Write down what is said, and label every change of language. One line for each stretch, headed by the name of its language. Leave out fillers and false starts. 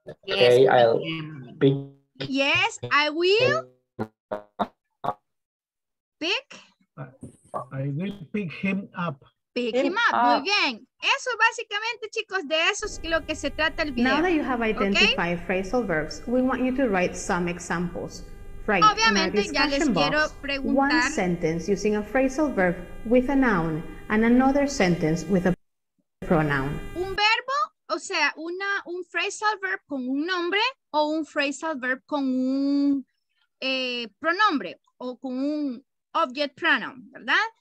English: Okay, I'll pick. Yes, I will pick. I will pick him up. Pick him up.
Spanish: Muy bien. Eso básicamente, chicos, de eso es lo que se trata el video.
English: Now that you have identified phrasal verbs, we want you to write some examples. Right.
Spanish: Obviamente, ya les quiero preguntar.
English: One sentence using a phrasal verb with a noun and another sentence with a pronoun.
Spanish: Un verbo, o sea, un phrasal verb con un nombre o un phrasal verb con un pronombre o con un object pronoun, ¿verdad?